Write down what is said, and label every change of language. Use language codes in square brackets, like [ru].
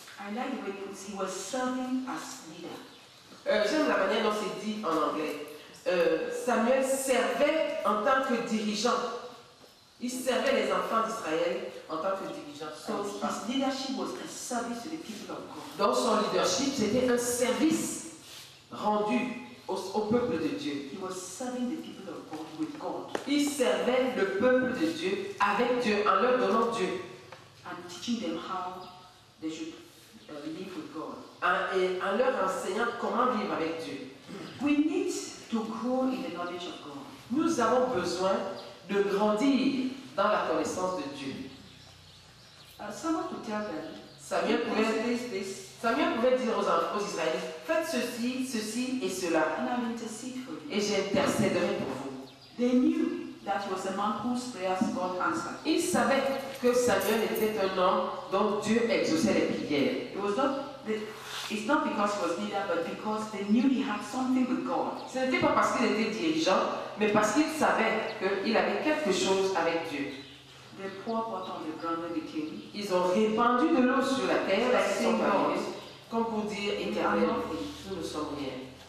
[en] I like the way he was serving as leader. [fr] J'aime la manière dont c'est dit en anglais. Samuel servait en tant que dirigeant. Il servait les enfants d'Israël en tant que dirigeant. [en] So his leadership was a service to the people of God. [fr] Donc son leadership c'était un service rendu au peuple de Dieu. [en] He was serving the people. With God. [fr] Il servait le peuple de Dieu avec Dieu en leur donnant Dieu. [en] And teaching them how they should live with God. [fr] Et en leur enseignant comment vivre avec Dieu. [en] We need to grow in the knowledge of God. [fr] Nous avons besoin de grandir dans la connaissance de Dieu. [en] Someone to tell them. [fr] Samuel pouvait dire aux Israélites, faites ceci, ceci et cela. [en] And I'm interceding for you. [fr] Et j'intercéderai pour vous. [en] They knew that was a man whose prayers God answered. [fr] Ils savaient que Samuel était un homme dont Dieu exaucait les prières. [en] It was not the, it's not because he was leader, but because they knew he had something with God. [fr] Ce n'était pas parce qu'il était dirigeant, mais parce qu'il savait qu'il avait quelque chose avec Dieu. [en] They poured water on the ground and the king. [fr] Ils ont répandu de l'eau sur la terre, la Seigneur, comme pour dire, Éternel, nous ne sommes rien.